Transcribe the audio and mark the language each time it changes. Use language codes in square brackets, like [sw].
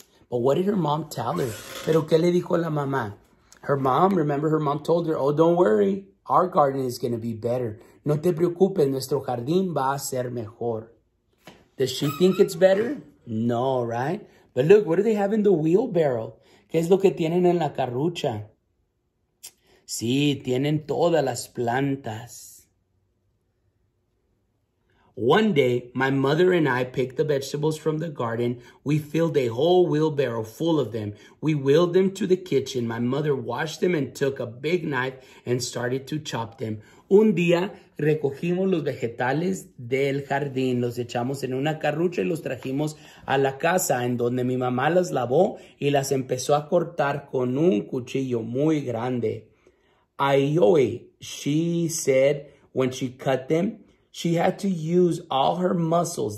[en] But what did her mom tell her? [es] ¿Pero qué le dijo la mamá? [en] Her mom, remember her mom told her, oh, don't worry, our garden is going to be better. [es] No te preocupes, nuestro jardín va a ser mejor. [en] Does she think it's better? No, right? But look, what do they have in the wheelbarrow? [es] ¿Qué es lo que tienen en la carrucha? Sí, tienen todas las plantas. [en] One day, my mother and I picked the vegetables from the garden. We filled a whole wheelbarrow full of them. We wheeled them to the kitchen. My mother washed them and took a big knife and started to chop them. [es] Un día, recogimos los vegetales del jardín. Los echamos en una carrucha y los trajimos a la casa en donde mi mamá las lavó y las empezó a cortar con un cuchillo muy grande. [en] Ayoy, she said when she cut them, she had to use all her muscles.